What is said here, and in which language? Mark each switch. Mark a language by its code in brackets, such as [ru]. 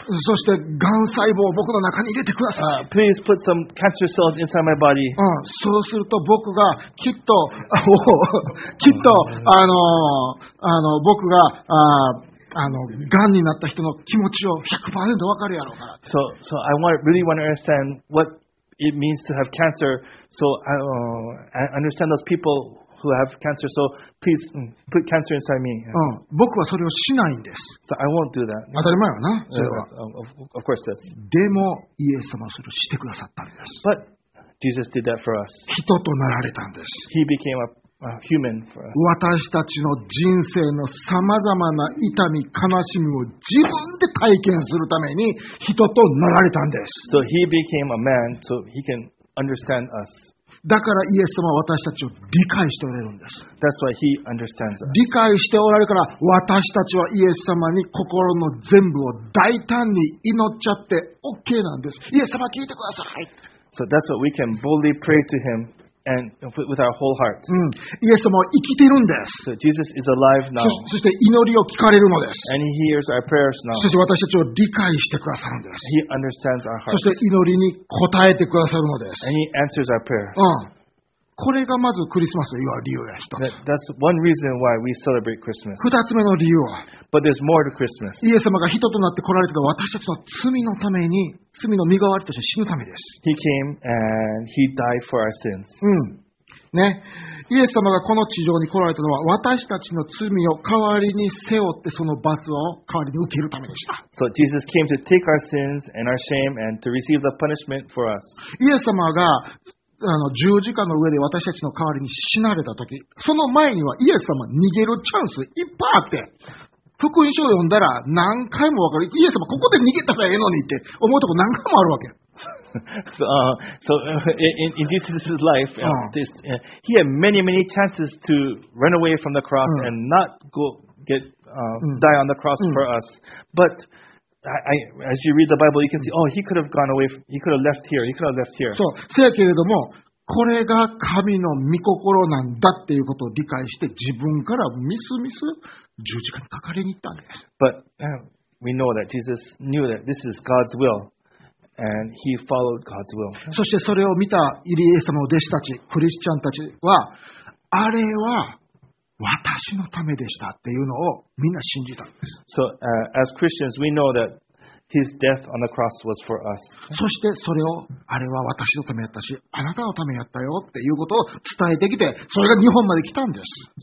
[ja] そしてがん細胞を僕の中に入れてください。 [en] Please put some cancer cells inside my body. [ja] そうすると僕がきっと、きっと、僕が、がんになった人の気持ちを 100% 分かるやろうから。 [en] So I really want to understand what it means to have cancer. So I understand those people who have cancer. So please put cancer inside me. [ja] 僕はそれをしないんです。 [en] So I won't do that. [ja] 当たり前はな。 [en] Of course this. [ja] でもイエス様はそれをしてくださったんです。 [en] But Jesus did that for us. [ja] 人となられたんです。 [en] He became a human for us. [ja] 私たちの人生のさまざまな痛み、悲しみを自分で体験するために人となられたんです。 [en] So he became a man so he can understand us. [ja] だからイエス様は私たちを理解しておられるんです。 [en] That's why he understands us. [ja] 理解しておられるから私たちはイエス様に心の全部を大胆に祈っちゃって OK なんです。イエス様聞いてください。 [en] So that's what we can boldly pray to him. And with our whole heart. [ja] イエス様は生きてるんです。 [en] So Jesus is alive now. [ja] そして祈りを聞かれるのです。 [en] And he hears our prayers now. [ja] そして私たちを理解してくださるんです。 [en] He understands our hearts. [ja] そして祈りに答えてくださるのです。 [en] And he answers our prayers. [ja] これがまずクリスマスの理由が一つ。 [en] That's one reason why we celebrate Christmas. [ja] 二つ目の理由は。 [en] But there's more to Christmas. [ja] イエス様が人となって来られたのは私たちの罪のために、罪の身代わりとして死ぬためです。 [en] He came and he died for our sins. [ja] ね。イエス様がこの地上に来られたのは私たちの罪を代わりに背負ってその罰を代わりに受けるためでした。 [en] So Jesus came to take our sins and our shame and to receive the punishment for us. [ja] イエス様が十字架の上で私たちの代わりに死なれたとき、その前にはイエス様逃げるチャンスいっぱいあって、福音書を読んだら何回も分かる、イエス様ここで逃げたらええのにって思うとこ何回もあるわけ。 [en] in Jesus' life, he had many, many chances to run away from the cross and not go get die on the cross for us. But I, as you read the Bible, you can see, oh, he could have gone away, he could have left here, he could have left here. [ja] そう、せやけれども、これが神の御心なんだっていうことを理解して、自分からミスミス十字架にかかりに行ったんです。 [en] But we know that Jesus knew that this is God's will, and he followed God's will. [ja] そしてそれを見たイリエス様の弟子たち、クリスチャンたちは、あれは、私のためでしたっていうのをみんな信じたんです。 [en] So, as Christians, we know that his death on the cross was for us. [ja] そしてそれをあれは私のためやったし、あなたのためやったよっていうことを伝えてきて、それが日本まで来たんです。